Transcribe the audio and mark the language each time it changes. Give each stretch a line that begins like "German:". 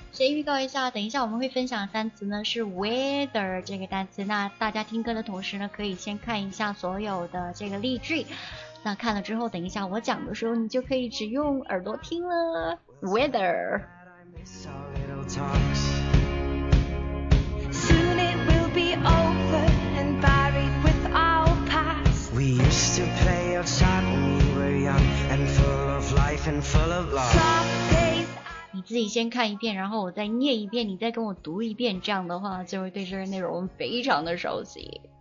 Chinese: 预告一下，等一下我们会分享单词呢，是 weather 这个单词。那大家听歌的同时呢，可以先看一下所有的这个例句。那看了之后，等一下我讲的时候，你就可以只用耳朵听了。
English: weather。 Soon it will be over and buried with our past. We used to play outside when we were young and full of life and full of love.
Chinese: 你自己先看一遍，然后我再念一遍，你再跟我读一遍，这样的话就会对这些内容非常的熟悉。